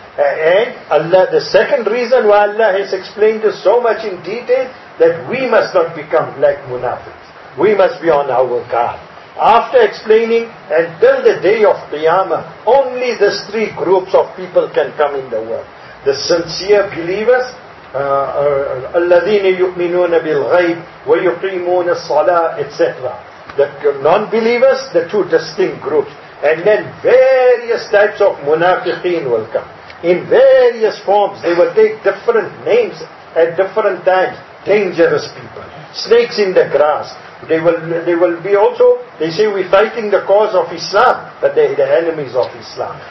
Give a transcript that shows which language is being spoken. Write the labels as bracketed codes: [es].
[en] And Allah, the second reason why Allah has explained this so much in detail, that we must not become like munafiqs. We must be on our guard. After explaining, and till the day of Qiyamah, only these 3 groups of people can come in the world. The sincere believers, [ar] الَّذِينَ يُؤْمِنُونَ بِالْغَيْبِ وَيُقِيمُونَ الصَّلَاةِ etc. [en] The non-believers, the 2 distinct groups. And then various types of munafiqeen will come. In various forms, they will take different names at different times. Dangerous people. Snakes in the grass. They will be also, they say we're fighting the cause of Islam, but they're the enemies of Islam.